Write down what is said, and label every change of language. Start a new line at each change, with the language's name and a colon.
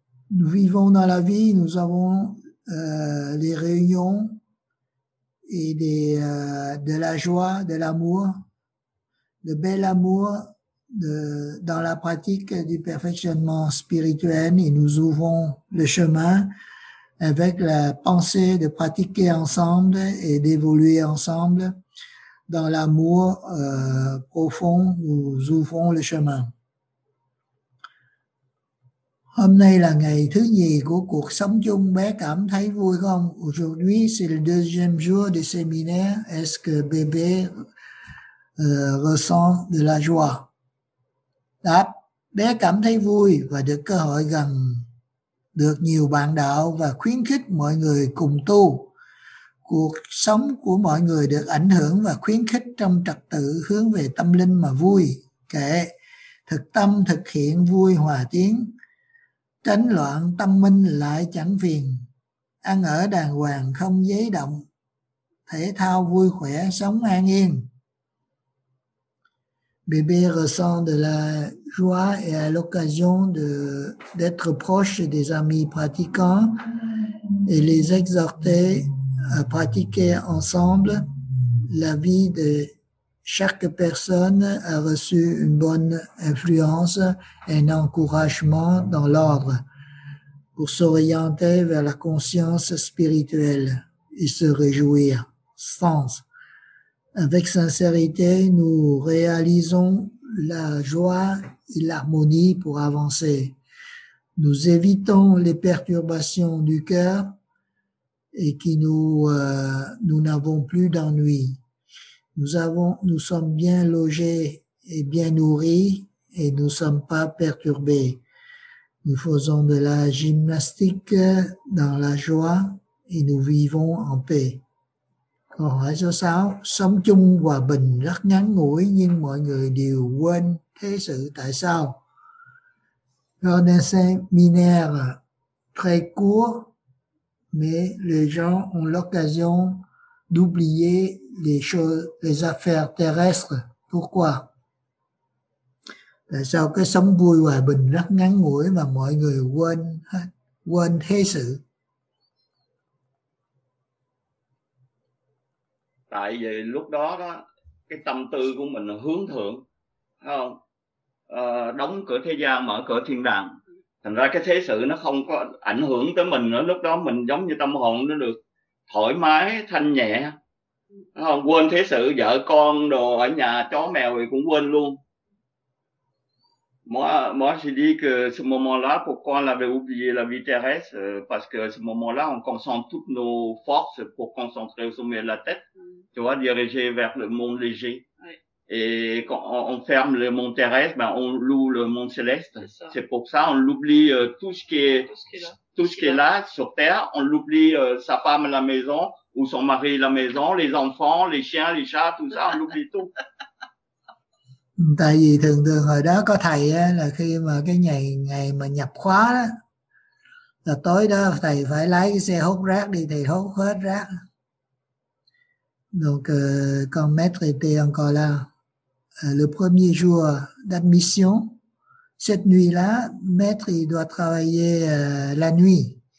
French: Nous vivons dans la vie, nous avons des réunions et de la joie, de l'amour, de bel amour dans la pratique du perfectionnement spirituel, et nous ouvrons le chemin avec la pensée de pratiquer ensemble et d'évoluer ensemble dans l'amour profond. Nous ouvrons le chemin.
Vietnamese: Hôm nay là ngày thứ nhì của cuộc sống chung, bé cảm thấy vui không?
French: Aujourd'hui c'est le deuxième jour du séminaire. Est-ce que bébé ressent de la joie?
Vietnamese: Đáp, bé cảm thấy vui và được cơ hội gần được nhiều bạn đạo và khuyến khích mọi người cùng tu. Cuộc sống của mọi người được ảnh hưởng và khuyến khích trong trật tự hướng về tâm linh mà vui. Kệ, thực tâm thực hiện vui hòa tiến. Tránh loạn tâm minh lại chẳng phiền. Ăn ở đàng hoàng không giấy động. Thể thao vui khỏe sống an yên.
French: Bébé ressent de la joie et à l'occasion d'être proche des amis pratiquants et les exhorter à pratiquer ensemble. La vie de chaque personne a reçu une bonne influence et un encouragement dans l'ordre pour s'orienter vers la conscience spirituelle et se réjouir. Sens. Avec sincérité, nous réalisons la joie et l'harmonie pour avancer. Nous évitons les perturbations du cœur et qui nous n'avons plus d'ennui. Nous sommes bien logés et bien nourris et nous ne sommes pas perturbés. Nous faisons de la gymnastique dans la joie et nous vivons en paix.
Vietnamese: Câu hỏi số 6, sống chung hòa bình rất ngắn ngủi nhưng mọi người đều quên thế sự, tại sao?
French: Lors d'un séminaire très court, mais les gens ont l'occasion d'oublier les choses, les affaires terrestres. Pourquoi?
Vietnamese: Tại sao cái sống vui hòa bình rất ngắn ngủi mà mọi người quên thế sự? Tại vì lúc đó đó cái tâm tư của mình là hướng thượng, thấy không? Đóng cửa thế gian, mở cửa thiên đàng, thành ra cái thế sự nó không có ảnh hưởng tới mình nữa. Lúc đó mình giống như tâm hồn nó được thoải mái thanh nhẹ, thấy không? Quên thế sự, vợ con đồ ở nhà, chó mèo thì cũng quên luôn.
French: Moi j'ai dit que ce moment là pourquoi on avait oublié la vie terrestre, parce que ce moment là on concentre toutes nos forces pour concentrer au sommet de la tête. Tu vois, dirigé vers le monde léger. Oui. Et quand on ferme le monde terrestre, ben on loue le monde céleste. C'est pour ça on l'oublie tout ce qui est là sur terre. On l'oublie sa femme à la maison ou son mari à la maison, les enfants, les chiens, les chats, tout ça, on l'oublie tout.
Vietnamese: Tại vì thường thường hồi đó có thầy á, là khi mà cái ngày mà nhập khóa đó, là tối đó thầy phải lái cái xe hút rác đi, thầy hút hết rác.
French: Donc, quand maître était encore là, le premier jour d'admission, cette nuit-là, maître, il doit travailler la nuit.